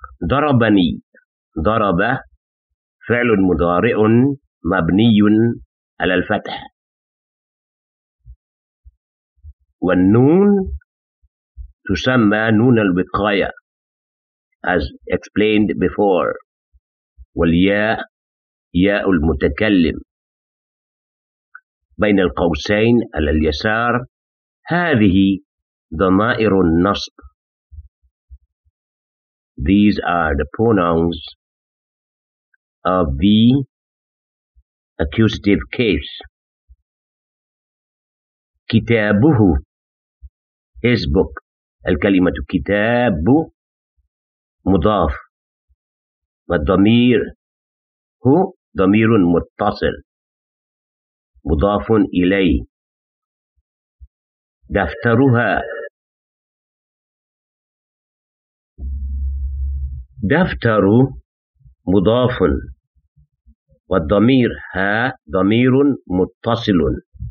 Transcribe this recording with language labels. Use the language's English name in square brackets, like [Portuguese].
[Arabic] ضربني ضرب فعل مضارع مبني على الفتح والنون تسمى نون الوقاية [English] as explained before [Arabic] والياء ياء المتكلم بين القوسين على اليسار هذه ضمائر النصب. [English] These are the pronouns of the accusative case. [Arabic] كتابه [English] his book. [Arabic] الكلمة كتاب مضاف والضمير هو ضمير متصل مضاف إليه. دفترها دفتر مضاف والضمير ها ضمير متصل.